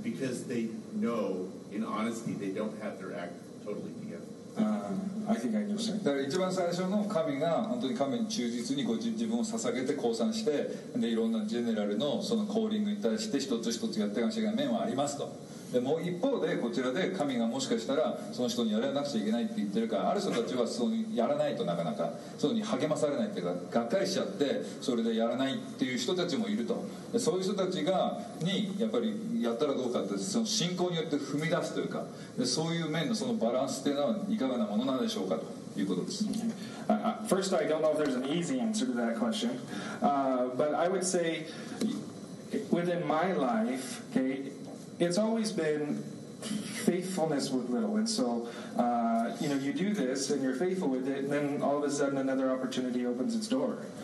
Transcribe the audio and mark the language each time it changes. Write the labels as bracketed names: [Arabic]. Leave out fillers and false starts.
[English] because they know, in honesty, they don't have their act totally together. [Japanese] だから一番最初の神が本当に神に忠実に自分を捧げて降参して、でいろんなジェネラル の, そのコーリングに対して一つ一つやっていかなきゃいけない面はありますと。でもう一方でこちらで神がもしかしたらその人にやらなくちゃいけないって言ってるから、ある人たちはそのやらないとなかなかそのに励まされないっていうか、がっかりしちゃってそれでやらないっていう人たちもいると。でそういう人たちがにやっぱりやったらどうかって、その信仰によって踏み出すというか、でそういう面のそのバランスっていうのはいかがなものなんでしょうかということです。 [English] First, I don't know if there's an easy answer to that question, but I would say within my life, okay,it's always been faithfulness with little. And so, you know, you do this and you're faithful with it, and then all of a sudden another opportunity opens its door.